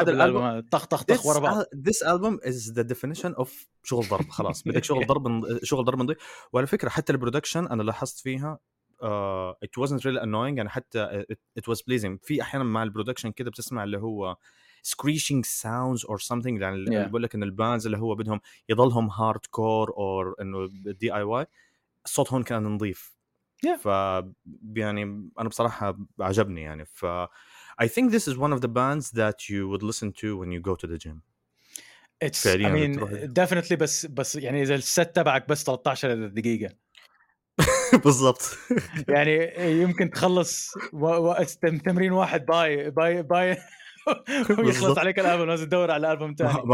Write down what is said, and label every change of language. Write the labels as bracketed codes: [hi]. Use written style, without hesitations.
[ar] هذا الالبوم طخ طخ طخ ورا بعض. [en] This album is the definition of [ar] شغل ضرب. خلاص بدك شغل ضرب. شغل ضرب نضيف. وعلى فكره حتى البرودكشن انا لاحظت فيها [en] it wasn't really annoying, and [ar] حتى [en] it was pleasing. [ar] في أحيانا مع البرودكشن كده بتسمع اللي هو [en] screeching sounds or something, [ar] يعني yeah. بقول لك إن البانز اللي هو بدهم يضلهم hardcore or إنه DIY الصوت هون كان نظيف. [en] Yeah. [ar] ف يعني أنا بصراحة عجبني يعني. [en] ف I think this is one of the bands that you would listen to when you go to the gym. It's I mean definitely [ar] بس يعني إذا الست تبعك بس 13 دقيقة. بالضبط. يعني يمكن تخلص تمرين واحد باي ويخلص عليك الألبوم لازم تدور على الألبوم تاني.